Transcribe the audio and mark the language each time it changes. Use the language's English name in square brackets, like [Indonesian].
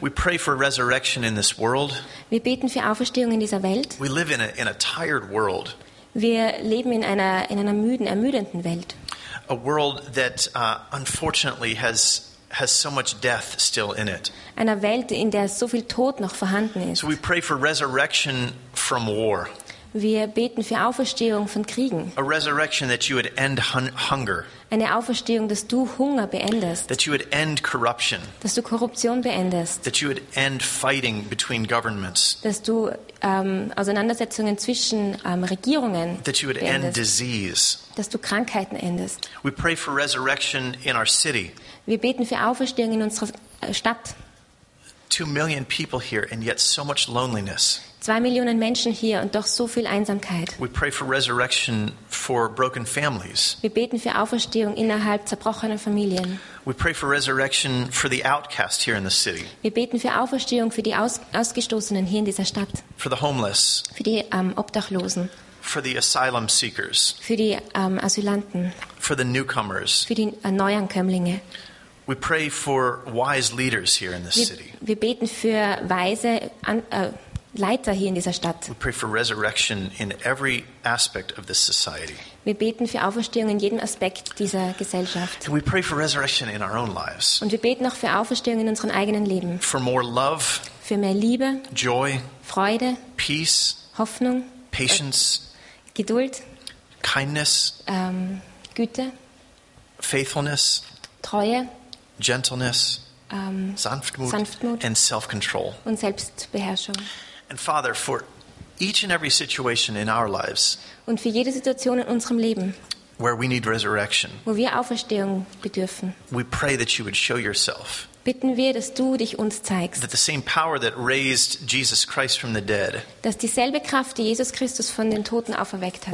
[English] We pray for resurrection in this world. [German] Wir beten für Auferstehung in dieser Welt. [English] We live in a tired world. [German] Wir leben in einer müden, ermüdenden Welt. [English] A world that unfortunately has so much death still in it. [German] Einer Welt, in der so viel Tod noch vorhanden ist. [English] So we pray for resurrection from war. [German] Wir beten für Auferstehung von Kriegen. [English] A resurrection that you would end hunger. [German] Eine Auferstehung, dass du Hunger beendest. [English] That you would end corruption. [German] Dass du Korruption beendest. [English] That you would end fighting between governments. [German] Dass du Auseinandersetzungen zwischen Regierungen beendest. [English] That you would end disease. [German] Dass du Krankheiten endest. [English] We pray for resurrection in our city. [German] Wir beten für Auferstehung in unserer Stadt. [English] 2 million people here and yet so much loneliness. [German] 2 Millionen Menschen hier und doch so viel Einsamkeit. [English] We pray for resurrection for broken families. [German] Wir beten für Auferstehung innerhalb zerbrochener Familien. [English] We pray for resurrection for the outcast here in the city. [German] Wir beten für Auferstehung für die Ausgestoßenen hier in dieser Stadt. [English] For the homeless. [German] Für die Obdachlosen. [English] For the asylum seekers. [German] Für die Asylanten. [English] For the newcomers. [German] Für die Neuankömmlinge. [English] We pray for wise leaders here in this city. [German] Wir beten für weise Leiter hier in dieser Stadt. [English] We pray for resurrection in every aspect of this society. [German] Wir beten für Auferstehung in jedem Aspekt dieser Gesellschaft. [English] And we pray for resurrection in our own lives. [German] Und wir beten auch für Auferstehung in unseren eigenen Leben. [English] For more love. [German] Für mehr Liebe. [English] Joy. [German] Freude. [English] Peace. [German] Hoffnung. [English] Patience. [German] Geduld. [English] Kindness. [German] Güte. [English] Faithfulness. [German] Treue. [English] Gentleness. Sanftmut and self-control. [German] Und Selbstbeherrschung. [English] And Father, for each and every situation in our lives, [German] und für jede Situation in unserem Leben, [English] where we need resurrection, [German] wo wir Auferstehung bedürfen, [English] we pray that you would show yourself. [German] Bitten wir, dass du dich uns zeigst. [English] That the same power that raised Jesus Christ from the dead, [German] dass dieselbe Kraft, die Jesus Christus von den Toten auferweckt hat,